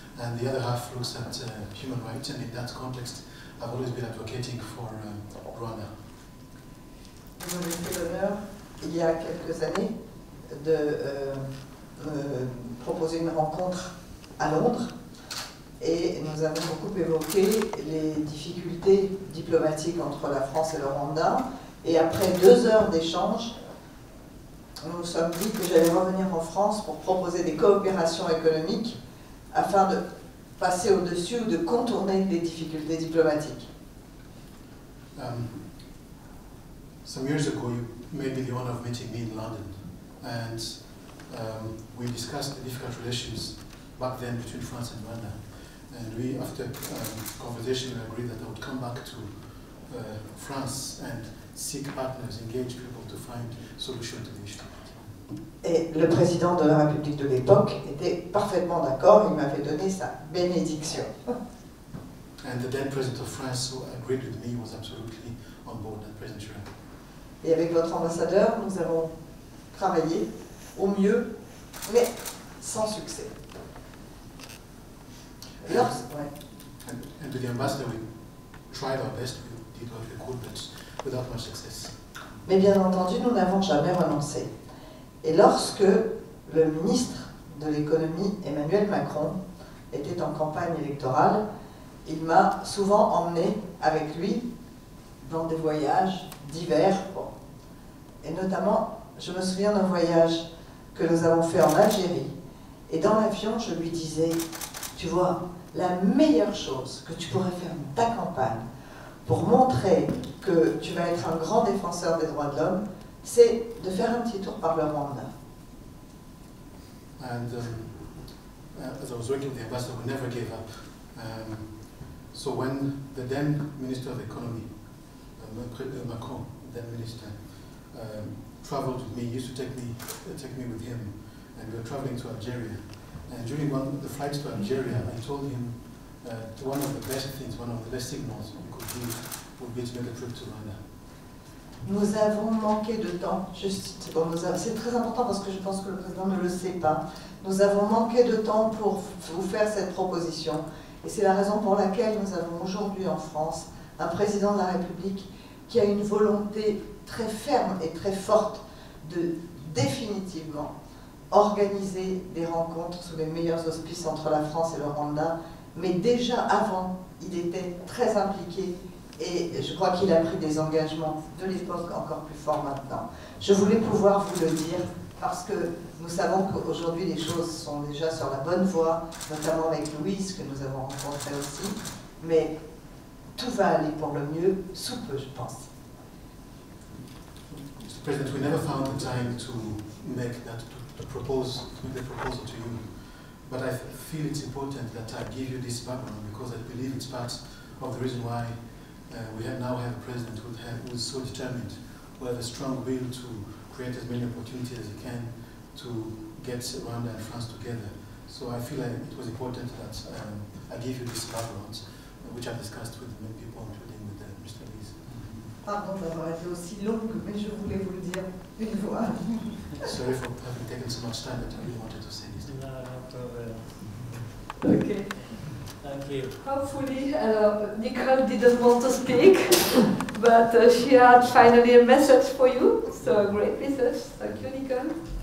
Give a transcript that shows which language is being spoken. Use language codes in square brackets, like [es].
[en] And the other half looks at human rights, and in that context, I've always been advocating for Rwanda. [fr] Vous m'avez fait l'honneur, il y a quelques années, de proposer une rencontre à Londres, et nous avons beaucoup évoqué les difficultés diplomatiques entre la France et le Rwanda, et après 2 heures d'échange, nous nous sommes dit que j'allais revenir en France pour proposer des coopérations économiques afin de passer au-dessus ou de contourner les difficultés diplomatiques. [en] Some years ago, you made me the honor of meeting me in London, and we discussed the difficult relations back then between France and Rwanda. And we, after conversation, we agreed that I would come back to France and seek partners, engage people to find solutions to the issue. [fr] Et le président de la République de l'époque était parfaitement d'accord, il m'avait donné sa bénédiction. [en] And the then president of France who agreed with me was absolutely on board that President Chirac. [fr] Et avec votre ambassadeur, nous avons travaillé au mieux, mais sans succès. [en] And with the ambassador, we tried our best, we did what we could, but without much success. [fr] Mais bien entendu, nous n'avons jamais renoncé. Et lorsque le ministre de l'économie, Emmanuel Macron, était en campagne électorale, il m'a souvent emmené avec lui dans des voyages divers. Et notamment, je me souviens d'un voyage que nous avons fait en Algérie. Et dans l'avion, je lui disais, tu vois, la meilleure chose que tu pourrais faire dans ta campagne pour montrer que tu vas être un grand défenseur des droits de l'homme, c'est de faire un petit tour par le Rwanda. [en] And as I was working with the ambassador, we never gave up. So when the then Minister of Economy, Macron, then Minister, traveled with me, he used to take me with him, and we were traveling to Algeria. And during one of the flights to Algeria, I told him one of the best signals we could give would be to make a trip to Rwanda. [fr] Nous avons manqué de temps, c'est très important parce que je pense que le président ne le sait pas. Nous avons manqué de temps pour vous faire cette proposition. Et c'est la raison pour laquelle nous avons aujourd'hui en France un président de la République qui a une volonté très ferme et très forte de définitivement organiser des rencontres sous les meilleurs auspices entre la France et le Rwanda. Mais déjà avant, il était très impliqué. Et je crois qu'il a pris des engagements de l'époque encore plus forts maintenant. Je voulais pouvoir vous le dire parce que nous savons qu'aujourd'hui les choses sont déjà sur la bonne voie, notamment avec Louise que nous avons rencontré aussi. Mais tout va aller pour le mieux sous peu, je pense. [en] Mr. President, we never found the time to make that to propose to make the proposal to you. But I feel it's important that I give you this background because I believe it's part of the reason why we now have a president who is so determined, who has a strong will to create as many opportunities as he can to get Rwanda and France together. So I feel like it was important that I give you this background, which I've discussed with many people, including with Mr. Lise. [fr] Pardon d'avoir été aussi longue, mais je voulais vous le dire une fois. [en] Sorry for having taken so much time, but I really wanted to say this. No, no problem. Okay. Thank you. Hopefully, Nicole didn't want to speak, but she had finally a message for you. So a great message. Thank you, Nicole.